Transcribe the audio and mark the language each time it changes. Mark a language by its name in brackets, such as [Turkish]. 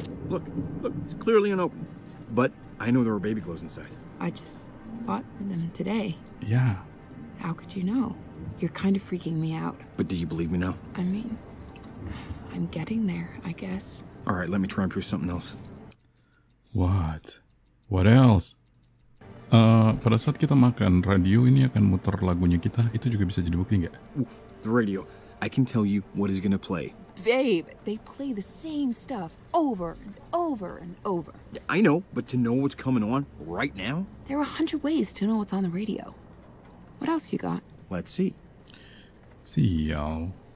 [English] Look, look, it's clearly unopened. But I know there are baby clothes inside. I just bought them today. Yeah. How could you know? You're kind of freaking me out. But do you believe me now? I mean, I'm getting there, I guess. All right, let me try and prove something else. What? What else? [Indonesian] Pada saat kita makan, radio ini akan muter lagunya kita. Itu juga bisa jadi bukti nggak? [English] The radio. I can tell you what is going to play. Babe, they play the same stuff over and over and over. I know, but to know what's coming on right now? There are 100 ways to know what's on the radio. What else you got? Let's see. See y'all.